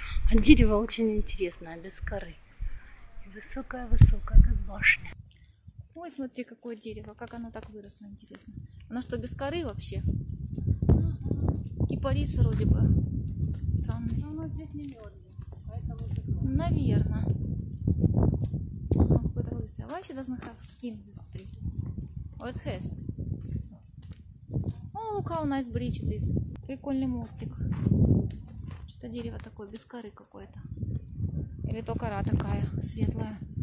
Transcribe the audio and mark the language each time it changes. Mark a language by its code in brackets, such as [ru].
[ru] А дерево очень интересное, без коры. Высокое-высокое, как башня. Ой, смотри, какое дерево, как оно так выросло, интересно. Оно что, без коры вообще? Кипарис вроде бы. Странный. Но оно здесь не мёрзнет, поэтому живое. Наверное. Что он какой-то лысый. [en] Why she doesn't have skin this tree? Or it has? Look how nice bridge it is. [ru] Прикольный мостик. Что-то дерево такое, без коры какое-то. Или то кора такая светлая.